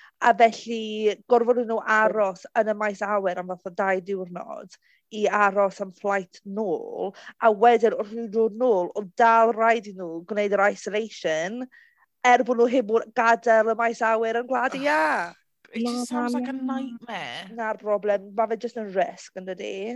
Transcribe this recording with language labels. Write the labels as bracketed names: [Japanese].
[Welsh] A felly, gorfod nhw aros yn y maes awyr am fath o dau diwrnod i aros am flight nôl, a wedyn wrth nhw'n dod nôl, o dal rhaid i nhw gwneud yr isolation, er bod nhw heb gadael y maes awyr yn Gwlad y Ia. [English] It just sounds like a nightmare. [Welsh] Na'r broblem, mae fe jyst yn risg yn dydi.